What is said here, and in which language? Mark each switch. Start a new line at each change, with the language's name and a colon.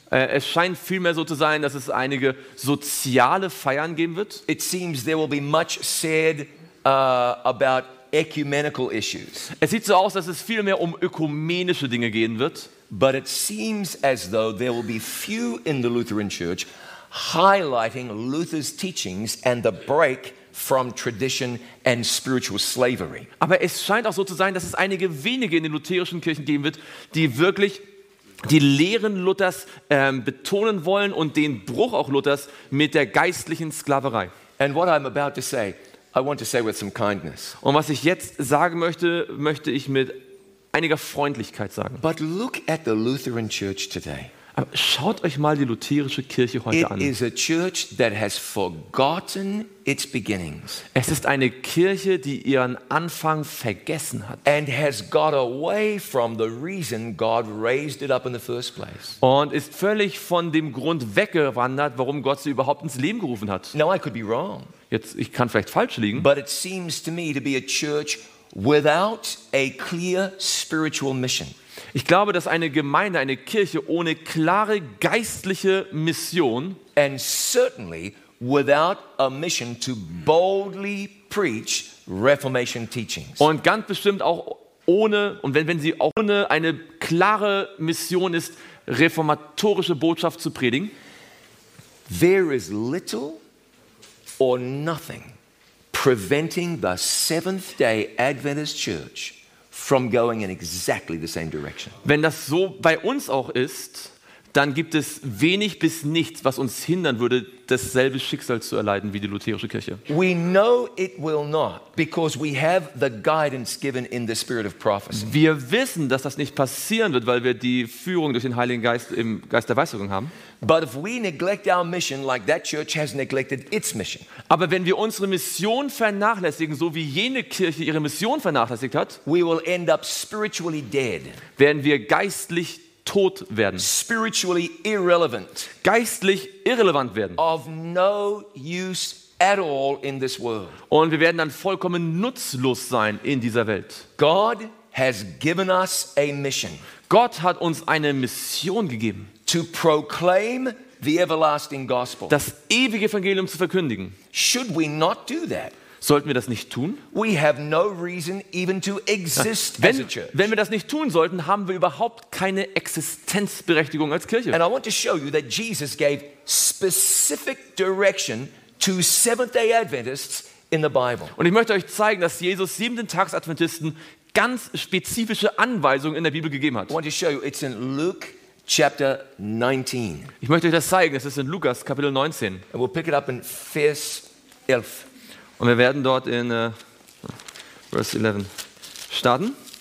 German: Es scheint vielmehr so zu sein, dass es einige soziale Feiern geben wird.
English: It seems there will be much said about ecumenical issues.
German: Es sieht so aus, dass es vielmehr um ökumenische Dinge gehen wird.
English: But it seems as though there will be few in the Lutheran Church highlighting Luther's teachings and the break from tradition and spiritual slavery.
German: Aber es scheint auch so zu sein, dass es einige wenige in den lutherischen Kirchen geben wird, die wirklich die Lehren Luthers betonen wollen und den Bruch auch Luthers mit der geistlichen Sklaverei.
English: And what I'm about to say, I want to say with some kindness.
German: Und was ich jetzt sagen möchte, möchte ich mit einiger Freundlichkeit sagen.
English: But look at the Lutheran Church today.
German: Aber schaut euch mal die lutherische Kirche heute
English: it
German: an.
English: Is a church that has forgotten its beginnings.
German: Es ist eine Kirche, die ihren Anfang vergessen hat.
English: And has got away from the reason God raised it up in the first place.
German: Und ist völlig von dem Grund weggewandert, warum Gott sie überhaupt ins Leben gerufen hat.
English: Now I could be wrong.
German: Jetzt, ich kann vielleicht falsch liegen.
English: But it seems to me to be a church without a clear spiritual mission.
German: Ich glaube, dass eine Gemeinde, eine Kirche ohne klare geistliche Mission
English: and certainly without a mission to boldly preach Reformation teachings.
German: Und ganz bestimmt auch ohne und wenn sie auch ohne eine klare Mission ist, reformatorische Botschaft zu predigen.
English: There is little or nothing preventing the Seventh-day Adventist Church from going in exactly the same direction.
German: Wenn das so bei uns auch ist, dann gibt es wenig bis nichts, was uns hindern würde, dasselbe Schicksal zu erleiden wie die lutherische Kirche.
English: We know it will not, because we have the guidance given in the spirit of prophecy.
German: Wir wissen, dass das nicht passieren wird, weil wir die Führung durch den Heiligen Geist im Geist der Weissagung haben.
English: But if we neglect our mission like that church has neglected its mission.
German: Aber wenn wir unsere Mission vernachlässigen, so wie jene Kirche ihre Mission vernachlässigt hat,
English: we will end up spiritually dead.
German: Werden wir geistlich tot werden.
English: Spiritually irrelevant.
German: Geistlich irrelevant werden.
English: Of no use at all in this world.
German: Und wir werden dann vollkommen nutzlos sein in dieser Welt.
English: God has given us a mission.
German: Gott hat uns eine Mission gegeben.
English: To proclaim the everlasting gospel.
German: Das ewige Evangelium zu verkündigen.
English: Should we not do that?
German: Sollten wir das nicht tun?
English: We have no reason even to exist as a church.
German: Wenn wir das nicht tun sollten, haben wir überhaupt keine Existenzberechtigung als Kirche.
English: And I want to show you that Jesus gave specific direction to Seventh-day Adventists in the Bible.
German: Und ich möchte euch zeigen, dass Jesus Siebenten-Tags-Adventisten ganz spezifische Anweisungen in der Bibel gegeben hat.
English: I want to show you, it's in Luke chapter 19.
German: Ich möchte euch das zeigen, es ist in Lukas Kapitel 19.
English: And we'll pick it up in Vers 11.
German: Und wir werden dort in Vers 11 starten.